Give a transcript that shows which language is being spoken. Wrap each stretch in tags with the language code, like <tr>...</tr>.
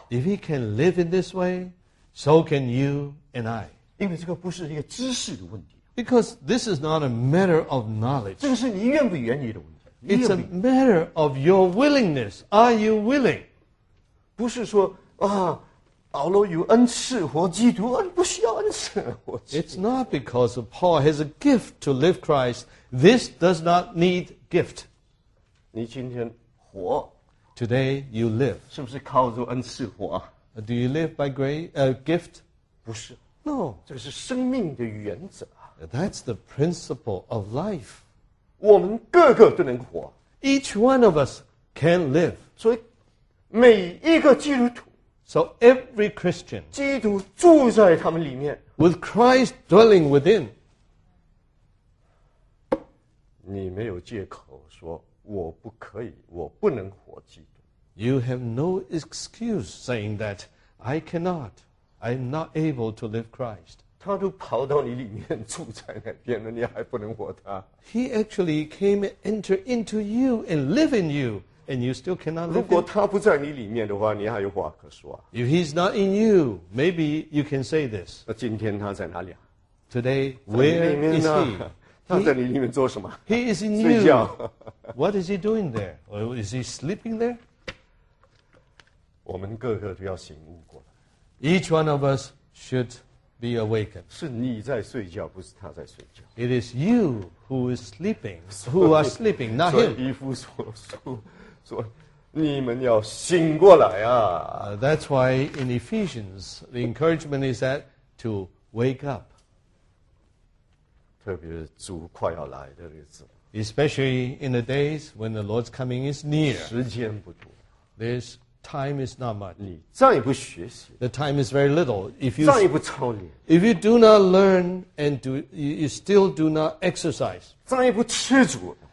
<en>If we can live in this way, so can you and I.</en> <zh>因为这个不是一个知识的问题。</zh> <en>Because this is not a matter of knowledge.</en> <zh>这个是你愿不愿意的问题。</zh> <en>It's a matter of your willingness. Are you willing?</en> <zh>不是说啊，保罗有恩赐活基督，不需要恩赐活基督。</zh> <en>It's not because Paul has a gift to live Christ. This does not need gift.</en> <zh>你今天活</zh> <en>，Today you live.</en> <zh>是不是靠着恩赐活</zh> <en>？Do you live by grace? Gift?</en> <zh>不是。</zh> <en>No.</en> <zh>这是生命的原则。</zh> <en>That's the principle of life.</en> <zh>我们个个都能活。</zh> <en>Each one of us can live.</en> <zh>所以每一个基督徒</zh> <en>So every Christian</en> <zh>基督住在他们里面</zh> <en>With Christ dwelling within</en> <zh>你没有借口说我不可以我不能活基督</zh> <en>You have no excuse saying that I cannot I'm not able to live Christ</en> <zh>他都跑到你里面住在那边了，你还不能活他</zh> <en>？He actually came and entered into you and live in you, and you still cannot live.</en> <zh>如果他不在你里面的话，你还有话可说、啊、</zh> <en>？If he's not in you, maybe you can say this.</en> <zh>那今天他在哪里啊</zh> <en>？Today, where is he?</en> <zh>他在你里面做什么</zh> <en>？He is in you.</en> <zh>睡觉。</zh> <en>What is he doing there? Or is he sleeping there?</en> <zh>我们个个都要醒悟过来。</zh> <en>Each one of us should. Be awakened.</en> <zh>是你在睡觉，不是他在睡觉。</zh> <en>It is you who is sleeping, who are sleeping, not him.</en> <zh>所以以弗所书说，你们要醒过来啊。</zh> <en>That's why in Ephesians, the encouragement is that to wake up.</en> <zh>特别是主快要来的日子。</zh> <en>Especially in the days when the Lord's coming is near.</en> <zh>时间不多。</zh> <en>There's Time is not much.</en> <zh>你再也不学习。</zh> <en>The time is very little. If you</en> <zh>再也不操练。</zh> <en>If you do not learn and you still do not exercise.</en> <zh>再也不吃主。</zh>